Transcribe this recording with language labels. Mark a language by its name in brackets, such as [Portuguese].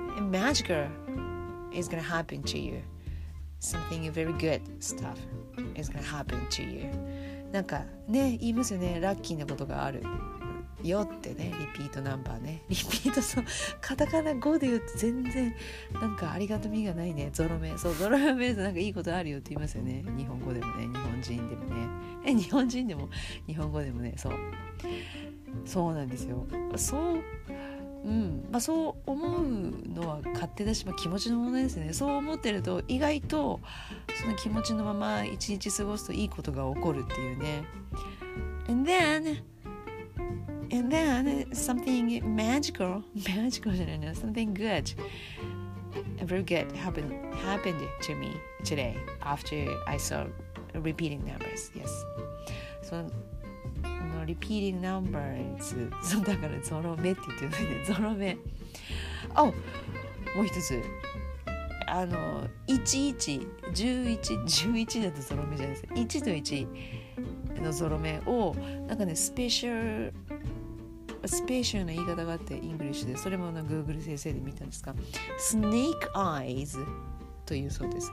[English] magical is gonna happen to you. Something very good stuff is gonna happen to you. [Japanese] なんかね、言いますよね、ラッキーなことがあるよってね、リピートナンバーね、リピート、そう、カタカナ語で言うと全然なんかありがたみがないね、ゾロ目、そう、ゾロ目でなんかいいことあるよって言いますよね、日本語でもね、日本人でもね、え、日本人でも日本語でもね、そう、そうなんですよ、そう。うん、まあ、そう思うのは勝手だし、まあ、気持ちの問題ですね。そう思ってると意外とその気持ちのまま一日過ごすといいことが起こるっていうね。 [English] And then something magical [Japanese] じゃないな、 [English] something good, very good happened to me today after I saw repeating numbers. Yes, so,repeating numbers. [Japanese] そうだからゾロ目って言ってないね。ゾロ目。あ、もう一つ。 11だとゾロ目じゃないですか。 1と1のゾロ目を、なんかね、スペシャルな言い方があって、イングリッシュで、それもあの Google 先生で見たんですが、Snake Eyes というそうです。